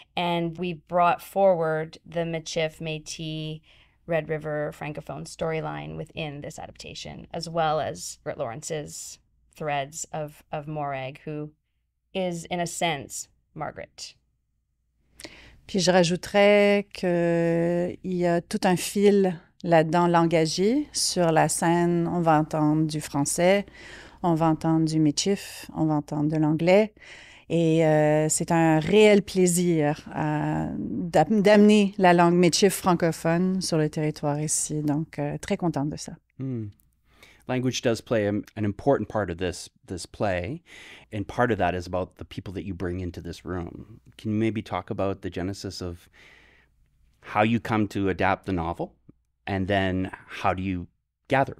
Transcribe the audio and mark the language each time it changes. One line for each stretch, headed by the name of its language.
English: And we brought forward the Michif, Métis, Red River, Francophone storyline within this adaptation, as well as Britt Lawrence's threads of Morag, who is, in a sense, Margaret.
French: Puis je rajouterais que il y a tout un fil là-dedans langagier. Sur la scène, on va entendre du français, on va entendre du Métis, on va entendre de l'anglais. Et c'est un réel plaisir d'amener la langue Métis francophone sur le territoire ici. Donc, très contente de ça. Mm.
English: Language does play an important part of this play, and part of that is about the people that you bring into this room. Can you maybe talk about the genesis of how you come to adapt the novel, and then how do you gather?